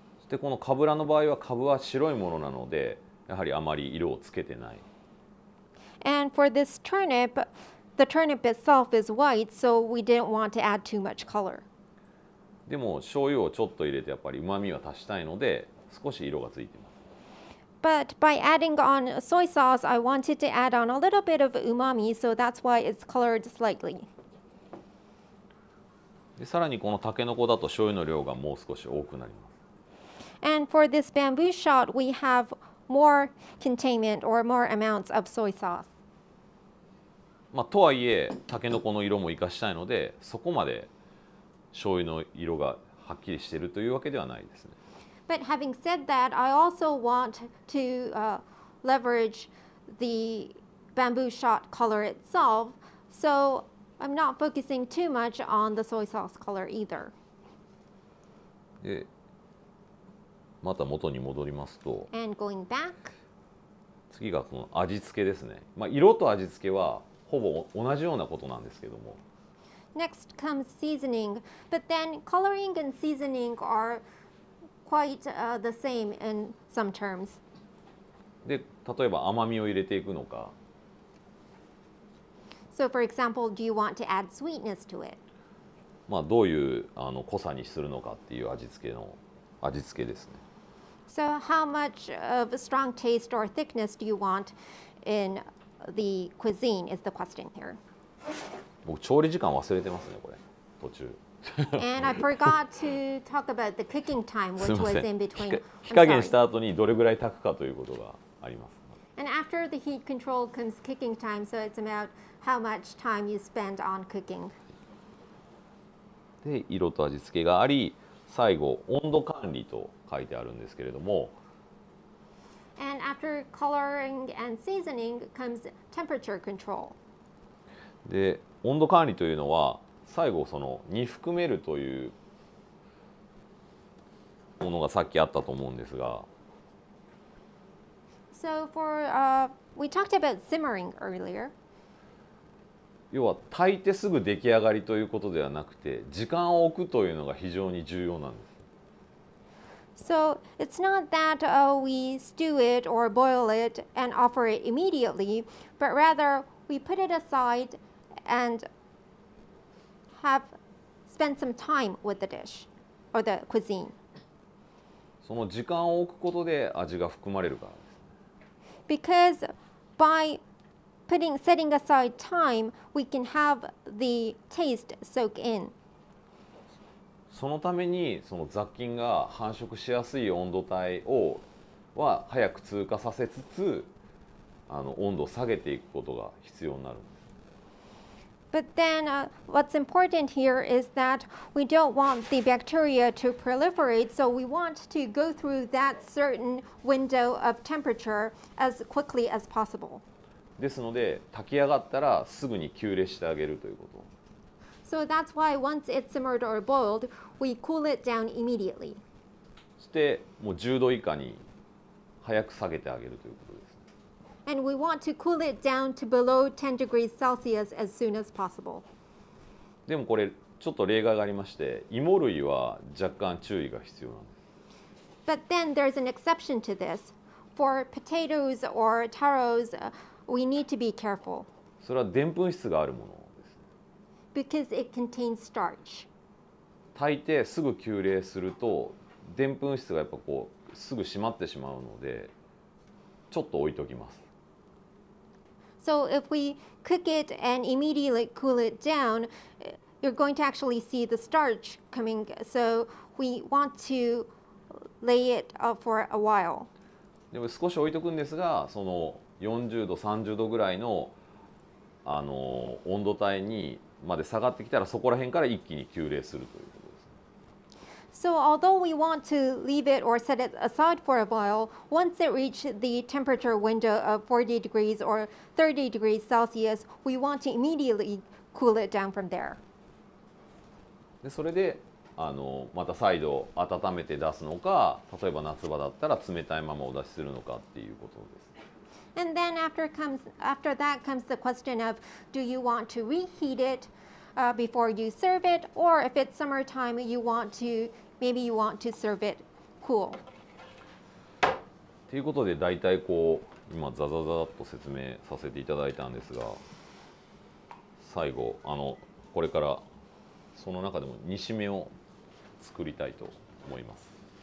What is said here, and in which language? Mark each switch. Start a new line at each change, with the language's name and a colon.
Japanese: で、このかぶらの場合は、かぶは白いものなので、やはりあまり色をつけてない。
English: And for this turnip, the turnip itself is white, so we didn't want to add too much color.
Japanese: でも、醤油をちょっと入れて、やっぱりうまみは足したいので、少し色がついています。
English: But by adding on soy sauce, I wanted to add on a little bit of umami, so that's why it's colored slightly.
Japanese: さらにこのタケノコだと醤油の量がもう少し多くなります。
English: And for this bamboo shot, we have more containment or more amounts of soy sauce.
Japanese: まあ、とはいえ、タケノコの色も生かしたいので、そこまで醤油の色がはっきりしているというわけではないですね。
English: But having said that, I also want to leverage the bamboo shot color itself, so I'm not focusing too much on the soy sauce color either.
Japanese: また元に戻りますと、
English: And going back,
Japanese: 次がこの味付けですね。まあ、色と味付けはほぼ同じようなことなんですけども。
English: Next comes seasoning, but then coloring and seasoning are quite the same in some terms.
Japanese: で、例えば甘みを入れていくのか。
English: So for example, do you want to add sweetness to it?
Japanese: まあどういうあの濃さにするのかっていう味付けの味付けですね。
English: So how much of a strong taste or thickness do you want in the cuisine is the question here.
Japanese: 僕調理時間忘れてますねこれ途中。
English: And I forgot to talk about the cooking time, which was in between.
Japanese: 火加減した後にどれぐらい炊くかということがあります。
English: And after the heat control comes cooking time, so it's about how much time you spend on cooking.
Japanese: で、色と味付けがあり、最後温度管理と書いてあるんですけれども。
English: And after coloring and seasoning comes temperature control.
Japanese: で、温度管理というのは最後その煮含めるというものがさっきあったと思うんですが、
English: So for we talked about simmering earlier.
Japanese: 要は炊いてすぐ出来上がりということではなくて、時間を置くというのが非常に重要なんです。
English: So it's not that we stew it or boil it and offer it immediately, but rather we put it aside and have spent some time with the dish or the cuisine.
Japanese: その時間を置くことで味が含まれるからです。
English: Because by setting aside time, we can have the taste soak in.
Japanese: そのためにその雑菌が繁殖しやすい温度帯をは早く通過させつつ、あの温度を下げていくことが必要になる。
English: But then, what's important here is that we don't want the bacteria to proliferate, so we want to go through that certain window of temperature as quickly as possible.
Japanese: ですので、炊き上がったらすぐに急冷してあげるということ。
English: So that's why once it's simmered or boiled, we cool it down immediately.
Japanese: そして、もう10度以下に早く下げてあげるということ。
English: And we want to cool it down to below 10 degrees Celsius as soon as possible.
Japanese: でもこれちょっと例外がありまして、芋類は若干注意が必要なんです。
English: But then there's an exception to this. For potatoes or taros, we need to be careful.
Japanese: それはでんぷん質があるものです。
English: Because it contains starch.
Japanese: 炊いてすぐ急冷すると、でんぷん質がやっぱこうすぐ閉まってしまうので、ちょっと置いときます。
English: So if we cook it and immediately cool it down, you're going to actually see the starch coming. So we want to lay it for a while.
Japanese: でも少し置いとくんですが、その40度、30度ぐらいのあの温度帯にまで下がってきたらそこら辺から一気に急冷するということです。
English: So although we want to leave it or set it aside for a while, once it reaches the temperature window of 40 degrees or 30 degrees Celsius, we want to immediately cool it down from there.
Japanese: でそれであのまた再度温めて出すのか、例えば夏場だったら冷たいままお出しするのかっていうことです。
English: And then after that comes the question of, do you want to reheat it、before you serve it, or if it's summertime, you want to serve it cool.
Japanese: ということで、大体こう今ザザザッと説明させていただいたんですが、最後あのこれからその中でも煮しめを作りたいと思います。